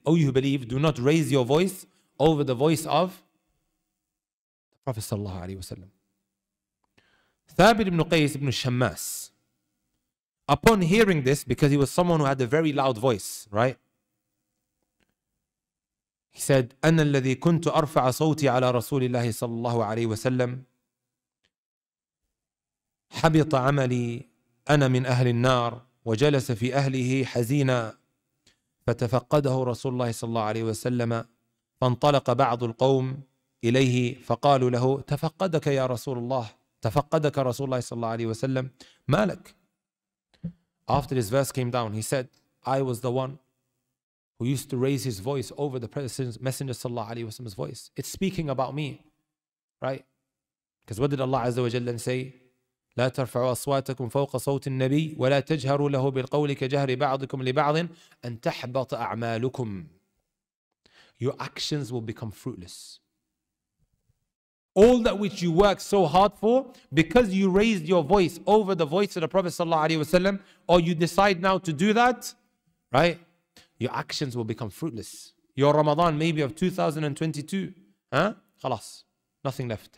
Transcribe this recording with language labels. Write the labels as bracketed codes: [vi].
[en] O you who believe, do not raise your voice over the voice of Prophet sallallahu alayhi wa sallam. Thabit ibn Qais ibn Shammas, upon hearing this, because he was someone who had a very loud voice, right? He said, [ar] أنا الذي كنت أرفع صوتي على رسول الله صلى الله عليه وسلم حبط عملي أنا من أهل النار وجلس في أهله حزينا، فتفقده رسول الله صلى الله عليه وسلم، فانطلق بعض القوم إليه فقالوا له: تفقدك يا رسول الله، تفقدك رسول الله صلى الله عليه وسلم، ما لك؟ [en] After this verse came down, he said, I was the one who used to raise his voice over the Messenger [ar] صلى الله عليه وسلم's voice. [en] It's speaking about me, right? Because what did Allah عز وجل say? [ar] لا ترفعوا أصواتكم فوق صوت النبي ولا تجهروا له بالقول كجهر بعضكم لبعض أن تحبط أعمالكم. [en] Your actions will become fruitless. All that which you work so hard for, because you raised your voice over the voice of the Prophet sallallahu alaihi wasallam, or you decide now to do that, right? Your actions will become fruitless. Your Ramadan maybe of 2022, خلاص, nothing left.